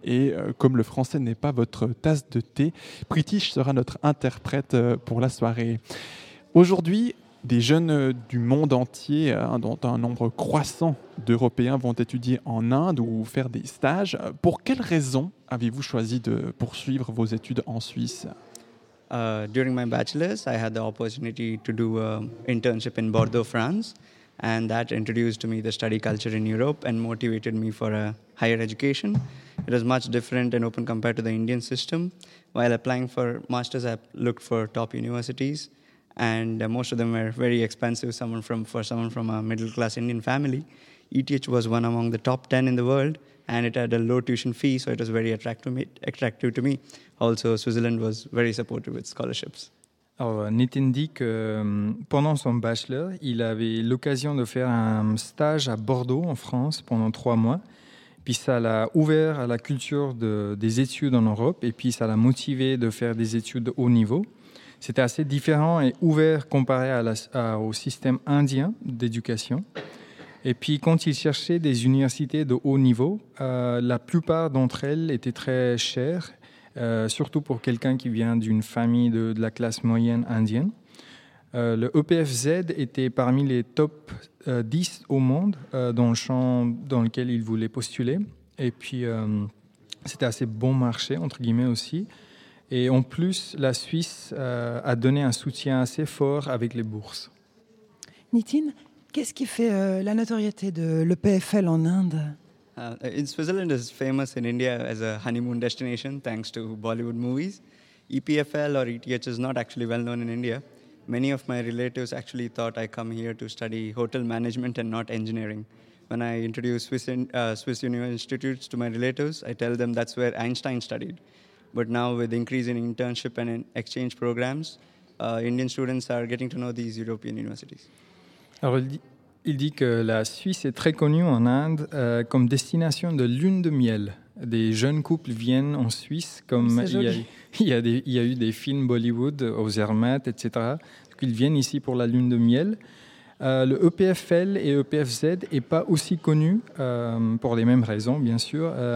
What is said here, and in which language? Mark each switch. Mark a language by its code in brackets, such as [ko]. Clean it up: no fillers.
[fr] Et comme le français n'est pas votre tasse de thé, Pritish sera notre interprète pour la soirée. Aujourd'hui, des jeunes du monde entier, dont un nombre croissant d'Européens, vont étudier en Inde ou faire des stages. Pour quelles raisons avez-vous choisi de poursuivre vos études en Suisse ? [en] During my bachelor's, I had the opportunity to do an internship in Bordeaux, France. And that introduced to me the study culture in Europe and motivated me for a higher education. It was much different and open compared to the Indian system. While applying for masters, I looked for top universities, and most of them were very expensive. For someone from a middle-class Indian family, ETH was one among the top 10 in the world, and it had a low tuition fee, so it was very attractive to me. Also, Switzerland was very supportive with scholarships. [fr] Alors, Nitin dit que pendant son bachelor, il avait l'occasion de faire un stage à Bordeaux, en France, pendant 3 mois. Puis ça l'a ouvert à la culture des études en Europe et puis ça l'a motivé de faire des études de haut niveau. C'était assez différent et ouvert comparé au système indien d'éducation. Et puis quand il cherchait des universités de haut niveau, la plupart d'entre elles étaient très chères. Surtout pour quelqu'un qui vient d'une famille de la classe moyenne indienne. Le EPFZ était parmi les top 10 au monde dans le champ dans lequel il voulait postuler. Et puis, c'était assez bon marché, entre guillemets, aussi. Et en plus, la Suisse a donné un soutien assez fort avec les bourses. Nitin, qu'est-ce qui fait la notoriété de l'EPFL en Inde ? [en] In Switzerland is famous in India as a honeymoon destination thanks to Bollywood movies. EPFL or ETH is not actually well known in India. Many of my relatives actually thought I come here to study hotel management and not engineering. When I introduce Swiss Union Institutes to my relatives, I tell them that's where Einstein studied. But now with increase in internship and in exchange programs, Indian students are getting to know these European universities. [fr] Alors, il dit que la Suisse est très connue en Inde comme destination de lune de miel. Des jeunes couples viennent en Suisse comme il y a eu des films Bollywood au Zermatt, etc. Donc, ils viennent ici pour la lune de miel. Le EPFL et EPFZ n'est pas aussi connu pour les mêmes raisons, bien sûr.